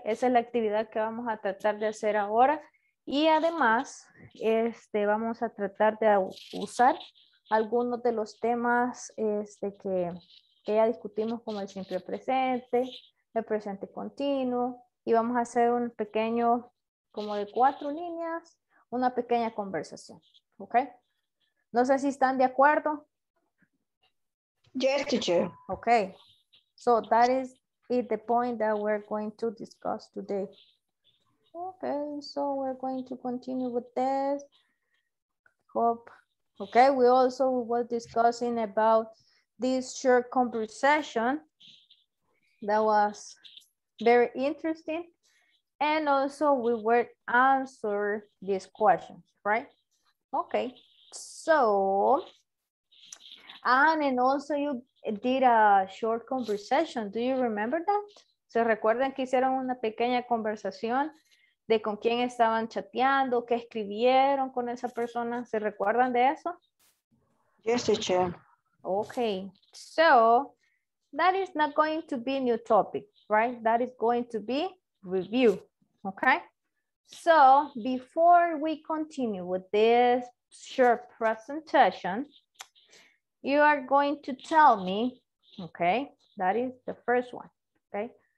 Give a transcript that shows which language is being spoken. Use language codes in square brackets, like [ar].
[es] Esa es la actividad que vamos a tratar de hacer ahora. Y además, vamos a tratar de usar algunos de los temas que ya discutimos, como el simple presente, el presente continuo, y vamos a hacer un pequeño, como de 4 líneas, una pequeña conversación, ¿ok? No sé si están de acuerdo. [en] Yes, teacher. Ok, so that is it, the point that we're going to discuss today. Ok, so we're going to continue with this. Hope. Ok, we also were discussing about this short conversation that was very interesting. And also we were answer these questions, right? Ok, so, and also you did a short conversation. Do you remember that? [es] ¿Se recuerdan que hicieron una pequeña conversación de con quién estaban chateando, qué escribieron con esa persona? ¿Se recuerdan de eso? [en] Yes, teacher. Okay, so that is not going to be a new topic, right? That is going to be review, okay? So before we continue with this short presentation, you are going to tell me, okay, that is the first one, okay?